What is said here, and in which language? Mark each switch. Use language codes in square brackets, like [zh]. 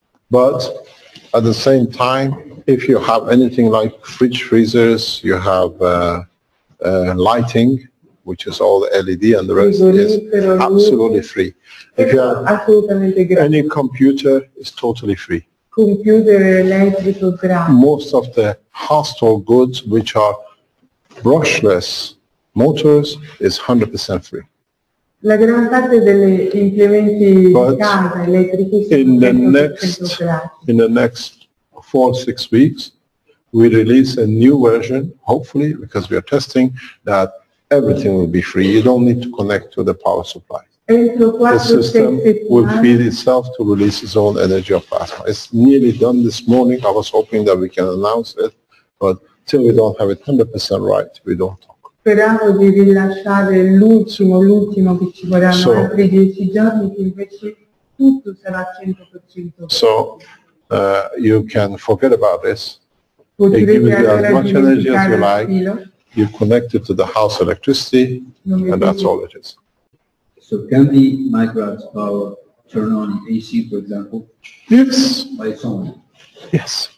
[en] But at the same time, if you have anything like fridge freezers, you have lighting, which is all the LED and the rest is absolutely free. If you have any computer, it's totally free. [it] Computer, elettrico, grafico. [en] Most of the household goods, which are brushless motors, is 100% free. [it] La gran parte delle implementi di casa elettrici sono [en] in the next 4-6 weeks we release a new version, hopefully, because we are testing that everything will be free. You don't need to connect to the power supply. [it] Entro 4-6 [en] will feed itself to release its own energy of plasma. It's nearly done this morning. I was hoping that we can announce it, but till we don't have it 100% right, we don't talk. [it] Speravo di rilasciare l'ultimo che ci vorranno altri 10 giorni, che invece tutto sarà 100%. [en] So, you can forget about this. [it] Potrete [en] give you as much energy as you like. [it] Filo. [en] You connect it to the house electricity, and that's all it is. So, can the microwave power turn on AC, for example? Yes. By its own? Yes.